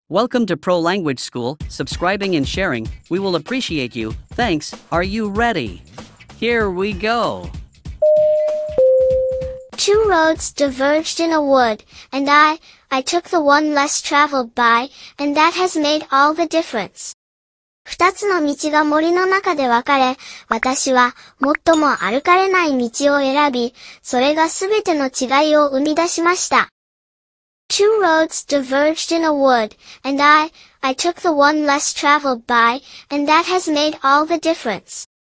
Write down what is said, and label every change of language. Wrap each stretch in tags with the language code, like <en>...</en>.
<en>Welcome to Pro Language School, subscribing and sharing, we will appreciate you, thanks, are you ready? Here we go! Two roads diverged in a wood, and I took the one less traveled by, and that has made all the difference.</en> <ja>二つの道が森の中で分かれ、私は最も歩かれない道を選び、それがすべての違いを生み出しました。</ja> <en>Two roads diverged in a wood, and I took the one less traveled by, and that has made all the difference.</en>